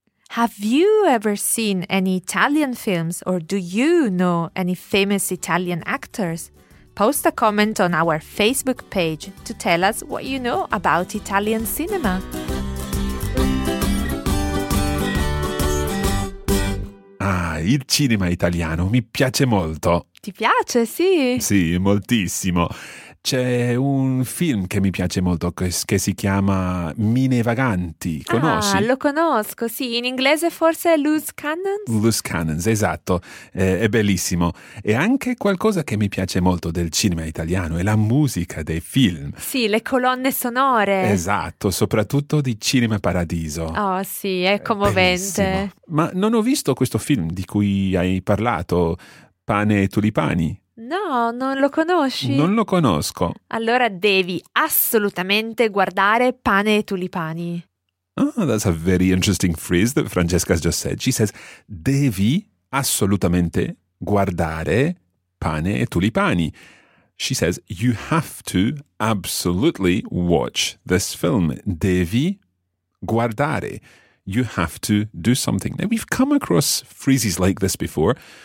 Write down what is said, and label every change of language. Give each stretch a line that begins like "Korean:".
English: Have you ever seen any Italian films, or do you know any famous Italian actors? Post a comment on our Facebook page to tell us what you know about Italian cinema.
Italian: Ah, il cinema italiano mi piace molto. Ti piace, sì? Sì, moltissimo. C'è un film che mi piace molto che si chiama Mine Vaganti. Conosci? Ah, lo conosco, sì. In inglese forse è Loose Cannons? Loose Cannons, esatto. È bellissimo. E anche qualcosa che mi piace molto del cinema italiano è la musica dei film. Sì, le colonne sonore. Esatto, soprattutto di Cinema Paradiso. Oh, sì, è commovente. Bellissimo. Ma non ho visto questo film di cui hai parlato, Pane e Tulipani. No, non lo conosci? Non lo conosco. Allora devi assolutamente guardare Pane e Tulipani.
English: Oh, that's a very interesting phrase that Francesca has just said. She says,
Italian: devi assolutamente guardare Pane e Tulipani.
English: She says, you have to absolutely watch this film.
Italian: Devi guardare.
English: You have to do something. Now, we've come across phrases like this before.